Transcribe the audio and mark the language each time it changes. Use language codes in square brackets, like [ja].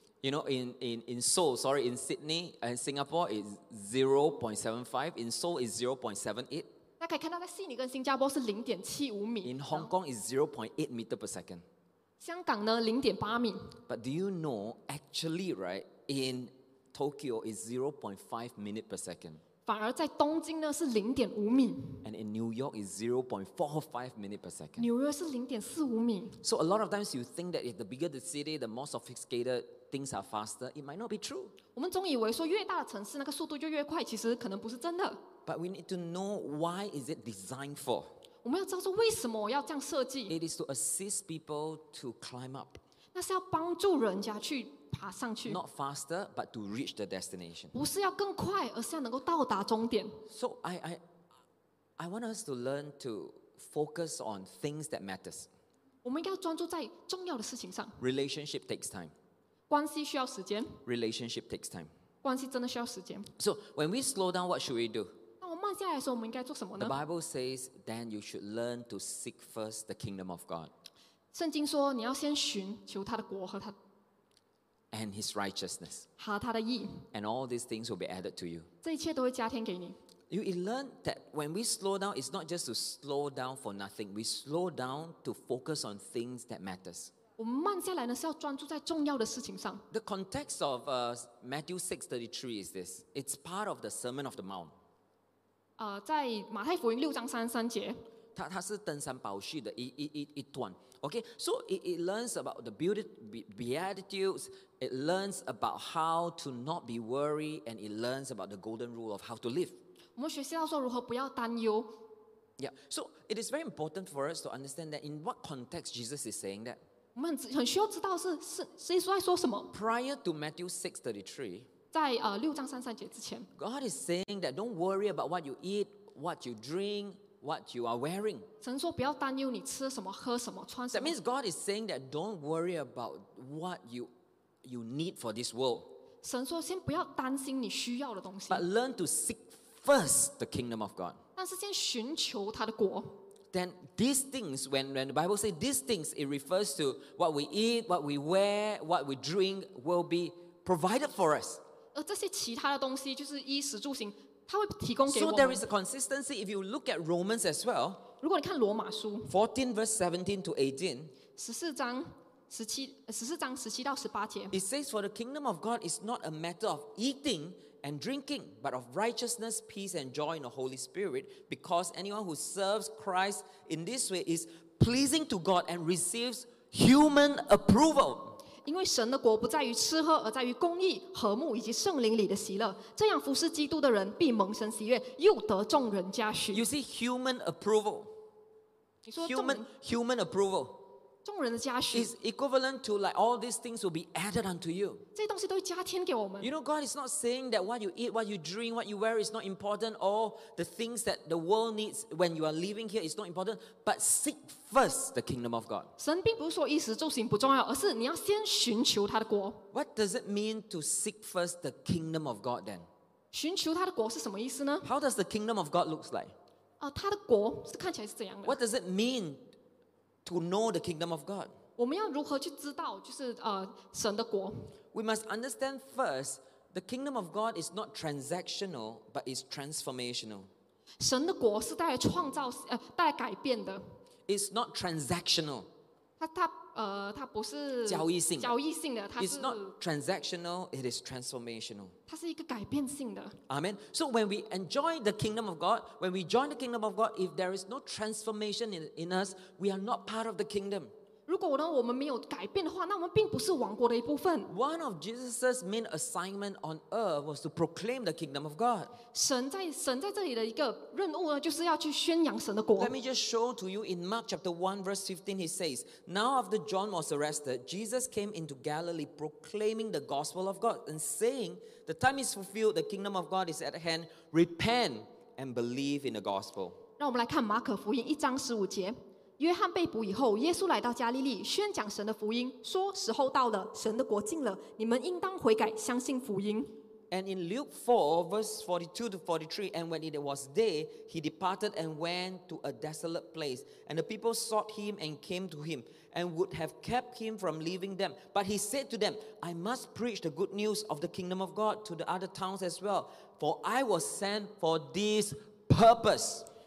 [en] You know, in Seoul, sorry, in Sydney and Singapore, it's 0.75. In Seoul, it's 0.78. [zh] 大家可以看到在悉尼跟新加坡是0.75米。 [en] In Hong Kong is 0.8 meter per second. [zh] 香港呢 0.8 米。 [en] But do you know, actually, right, in Tokyo is 0.5 minute per second. [zh] 反而在东京呢是0.5米。 [en] And in New York is 0.45 minutes per second. [zh] 纽约是0.45米。 [en] So a lot of times you think that if the bigger the city, the more sophisticated things are faster, it might not be true. [zh] 我们总以为说越大的城市那个速度就越快，其实可能不是真的。 [en] But we need to know why is it designed for. [zh] 我们要知道说为什么要这样设计。 [en] It is to assist people to climb up. [zh] 那是要帮助人家去。 [en] Not faster, but to reach the destination. [zh] 不是要更快，而是要能够到达终点。 [en] So I want us to learn to focus on things that matters. [zh] 我们要专注在重要的事情上。 [en] Relationship takes time. [zh] 关系需要时间。 [en] Relationship takes time. [zh] 关系真的需要时间。 [en] So when we slow down, what should we do? [zh] 那我慢下来的时候，我们应该做什么呢？ [en] The Bible says, then you should learn to seek first the kingdom of God. [zh] 圣经说，你要先寻求他的国和他。 [en] And his righteousness. [zh] 和他的义。 [en] And all these things will be added to you. [zh] 这一切都会加添给你。 [en] You learn that when we slow down, it's not just to slow down for nothing. We slow down to focus on things that matters. [zh] 我们慢下来呢，是要专注在重要的事情上。 [en] The context of Matthew 6:33 is this. It's part of the Sermon of the Mount. [zh] 在马太福音6:33。它是登山宝训的一段 [en] ，Okay， so it learns about the beatitudes， it learns about how to not be worried， and it learns about the golden rule of how to live。 [zh] 我们学习到说如何不要担忧。 [en] Yeah， so it is very important for us to understand that in what context Jesus is saying that。 [zh] 我们很需要知道是耶稣在说什么。 [en] Prior to Matthew 6:33， [zh] 在6:33之前 [en] ，God is saying that don't worry about what you eat， what you drink。 What you are wearing. [zh] 神说不要担忧你吃什么喝什么穿什么。 [en] That means God is saying that don't worry about what you need for this world. [zh] 神说先不要担心你需要的东西。 [en] But learn to seek first the kingdom of God. [zh] 但是先寻求他的国。 [en] Then these things, when the Bible says these things, it refers to what we eat, what we wear, what we drink will be provided for us. [zh] 而这些其他的东西就是衣食住行。他会提供给我们。 [en] So there is a consistency. If you look at Romans as well, [zh] 如果你看罗马书 [en] 14:17-18, [zh] 14章17到18节 [en] it says, "For the kingdom of God is not a matter of eating and drinking, but of righteousness, peace, and joy in the Holy Spirit. Because anyone who serves Christ in this way is pleasing to God and receives human approval." [zh] 因为神的国不在于吃喝，而在于公义、和睦以及圣灵里的喜乐。这样服侍基督的人必蒙神喜悦，又得众人嘉许。 [en] You see human approval. [zh] 你说 [en] human approval. [zh] 众人的嘉许 [en] is equivalent to like all these things will be added unto you. [zh] 这些东西都会加添给我们。 [en] You know, God is not saying that what you eat, what you drink, what you wear is not important, or the things that the world needs when you are living here is not important, but seek first the kingdom of God. [zh] 神并不是说衣食住行不重要，而是你要先寻求他的国。 [en] What does it mean to seek first the kingdom of God then? [zh] 寻求他的国是什么意思呢？ [en] How does the kingdom of God looks like? [zh] 他的国是看起来是怎样的？ [en] What does it mean? To know the kingdom of God. [zh] 我们要如何去知道就是神的国？ [en] We must understand first, the kingdom of God is not transactional, but is transformational. [zh] 神的国是带来创造带来改变的。 [en] It's not transactional. [zh] 它不是交易性的，它是。 [en] It's not transactional, it is transformational. [zh] 它是一个改变性的。 [en] Amen. So when we enjoy the kingdom of God, when we join the kingdom of God, if there is no transformation in us, we are not part of the kingdom. [zh] 如果呢，我们没有改变的话，那我们并不是王国的一部分。 [en] One of Jesus' main assignment on earth was to proclaim the kingdom of God. [zh] 神在这里的一个任务呢，就是要去宣扬神的国。 [en] Let me just show to you in Mark chapter 1:15, he says, "Now after John was arrested, Jesus came into Galilee, proclaiming the gospel of God and saying, 'The time is fulfilled. The kingdom of God is at hand. Repent and believe in the gospel.'" [zh] 让我们来看马可福音1:15。约翰被捕以后，耶稣来到加利利，宣讲神的福音，说时候到了，神的国近了，你们应当悔改，相信福音。 [en] And in Luke 4:42-43, and when it was day, he departed and went to a desolate place, and the people sought him and came to him, and would have kept him from leaving them. But he said to them, "I must preach the good news of the kingdom of God to the other towns as well, for I was sent for this purpose."